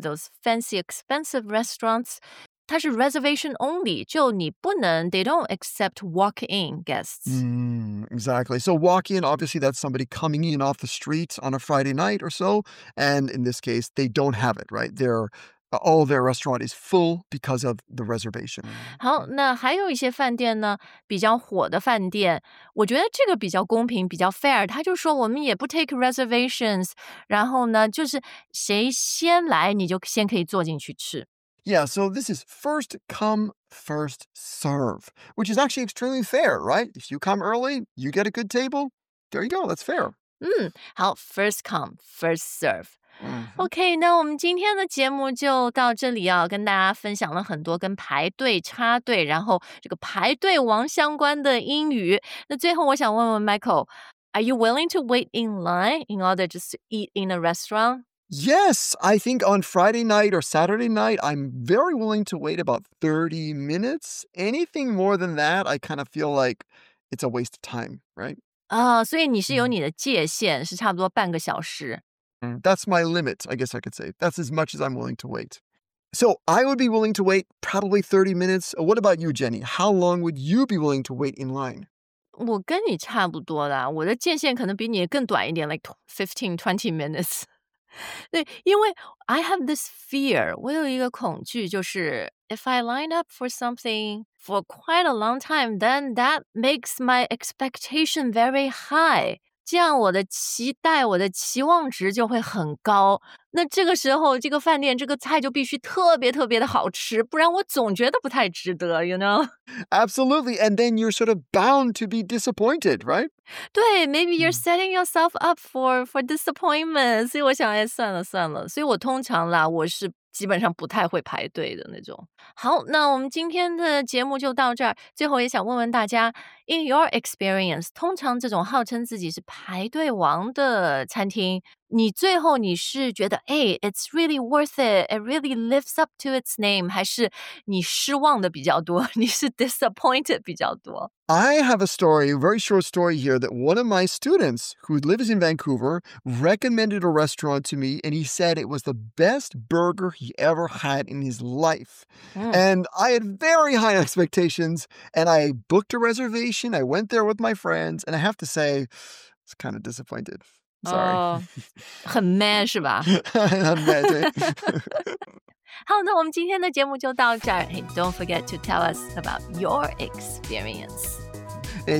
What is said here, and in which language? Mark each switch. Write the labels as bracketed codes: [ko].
[en] Those fancy expensive restaurants, [zh] 它是 [en] reservation only, [zh] 就你不能 [en] they don't accept walk-in guests. Exactly. So walk-in, obviously that's somebody coming in off the street on a Friday night or so, and in this case, they don't have it, right? They're... All their restaurant is full because of the reservation. [zh] 好，那还有一些饭店呢，比较火的饭店，我觉得这个比较公平，比较 fair。他就说我们也不 take reservations， 然后呢，就是谁先来，你就先可以坐进去吃。 [en] Yeah, so this is first come, first serve, which is actually extremely fair, right? If you come early, you get a good table. There you go, that's fair. 好 ，first come, first serve. [zh] OK, 那我们今天的节目就到这里啊，跟大家分享了很多跟排队插队，然后这个排队王相关的英语。那最后我想问问 [en] Michael, are you willing to wait in line in order just to eat in a restaurant? Yes, I think on Friday night or Saturday night, I'm very willing to wait about 30 minutes. Anything more than that, I kind of feel like it's a waste of time, right? [zh] 所以你是有你的界限，是差不多半个小时。 [en] That's my limit, I guess I could say. That's as much as I'm willing to wait. So I would be willing to wait probably 30 minutes. What about you, Jenny? How long would you be willing to wait in line? [zh] 我跟你差不多啦。我的界限可能比你更短一点, [en] like 15, 20 minutes. [zh] 对，因为 [en] I have this fear. [zh] 我有一个恐惧就是 [en] if I line up for something for quite a long time, then that makes my expectation very high. [zh] 这样我的期待我的期望值就会很高那这个时候这个饭店这个菜就必须特别特别的好吃不然我总觉得不太值得 you know [en] absolutely and then you're sort of bound to be disappointed right [zh] 对 [en] maybe you're setting yourself up for disappointment [zh] 所以我想哎算了算了所以我通常啦我是基本上不太会排队的那种好那我们今天的节目就到这儿最后也想问问大家 [en] in your experience [zh] 通常这种号称自己是排队王的餐厅你最后你是觉得哎 [en] it's really worth it it really lives up to its name [zh] 还是你失望的比较多你是 disappointed 比较多 [en] I have a story a very short story here that one of my students who lives in Vancouver recommended a restaurant to me and he said it was the best burger he ever had in his life and I had very high expectations and I booked a reservation I went there with my friends and I have to say I was kind of disappointed Sorry. [zh] 很 man 是吧？很 man 对。好，那我们今天的节目就到这儿。 [en] Hey, don't forget to tell us about your experience.